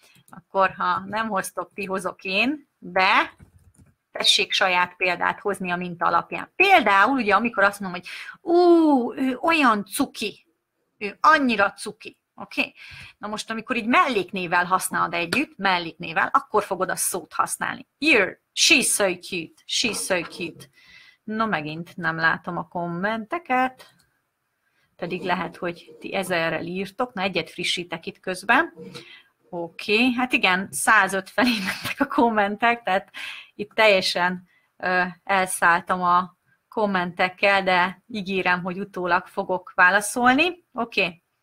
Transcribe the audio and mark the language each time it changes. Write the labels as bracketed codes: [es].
[hu] Akkor, ha nem hoztok, ti hozok én, de tessék saját példát hozni a minta alapján. Például, ugye, amikor azt mondom, hogy ő olyan cuki, ő annyira cuki. Oké? Na most, amikor így melléknével használod együtt, melléknével, akkor fogod a szót használni. [en] Here, she's so cute, she's so cute. [hu] Na megint nem látom a kommenteket, pedig lehet, hogy ti ezerrel írtok, na egyet frissítek itt közben. Oké, hát igen, 105 felé mentek a kommentek, tehát itt teljesen elszálltam a kommentekkel, de ígérem, hogy utólag fogok válaszolni. Oké?